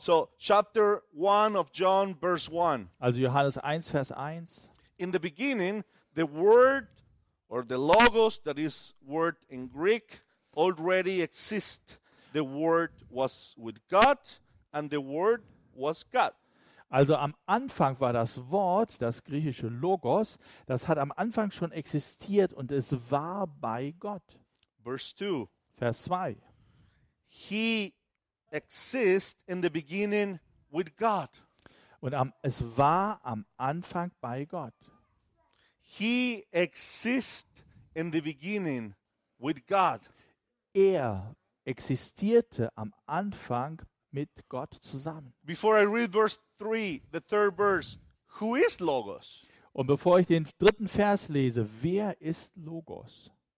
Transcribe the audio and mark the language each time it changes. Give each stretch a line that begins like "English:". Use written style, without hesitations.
English: So, chapter 1 of John, verse 1.
German: Also Johannes 1, Vers 1.
English: In the beginning, the word or the logos, that is word in Greek, already exist. The word was with God and the word was God.
German: Also am Anfang war das Wort, das griechische Logos, das hat am Anfang schon existiert und es war bei Gott.
English: Verse 2.
German: Vers 2.
English: He exists in the beginning with God.
German: Und es war am Anfang bei Gott.
English: He exists in the beginning with God.
German: Er existierte am Anfang mit Gott zusammen.
English: Before I read verse 3, the third verse, who is Logos?
German: Und bevor ich den dritten Vers lese, wer ist Logos?